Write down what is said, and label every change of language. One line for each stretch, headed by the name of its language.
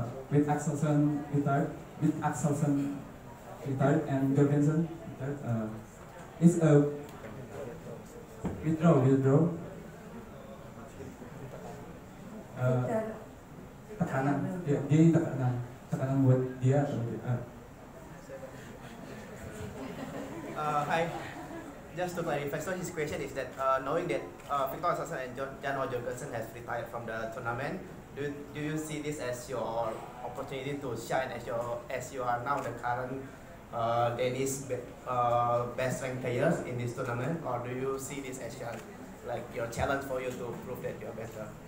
English: With Axelsen retired, and Gergensen retired, is a withdraw.
Indonesian: Tekanan, yeah, dia ini tekanan buat dia atau
English: Hi, just to clarify, so his question is that knowing that Victor Axelsen and Jan Gergensen has retired from the tournament, Do you see this as your opportunity to shine as you are now the current Danish best ranked players in this tournament, or do you see this as your, like, your challenge for you to prove that you are better?